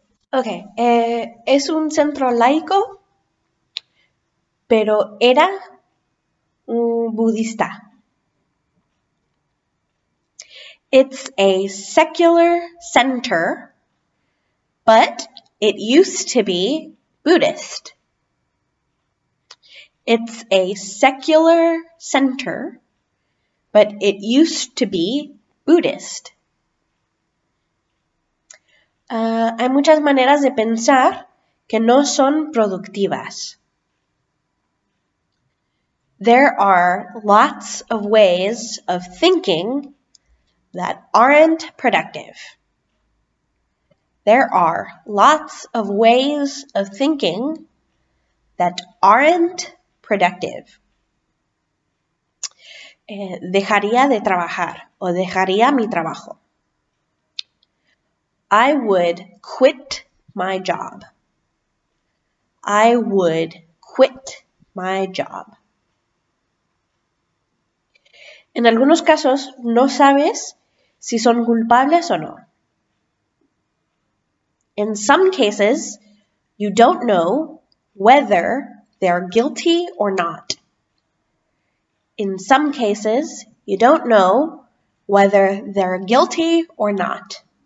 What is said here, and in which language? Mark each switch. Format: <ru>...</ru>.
<es>Okay, es un centro laico, pero era un budista.</es> <en>It's a secular center, but it used to be Buddhist. It's a secular center, but it used to be Buddhist.</en> <es>Hay muchas maneras de pensar que no son productivas.</es> <en>There are lots of ways of thinking that aren't productive. There are lots of ways of thinking that aren't productive.</en> <es>Dejaría de trabajar o dejaría mi trabajo.</es> <en>I would quit my job. I would quit my job.</en> <es>En algunos casos, no sabes si son culpables o no.</es> <en>In some cases, you don't know whether they are guilty or not. In some cases, you don't know whether they're guilty or not.</en>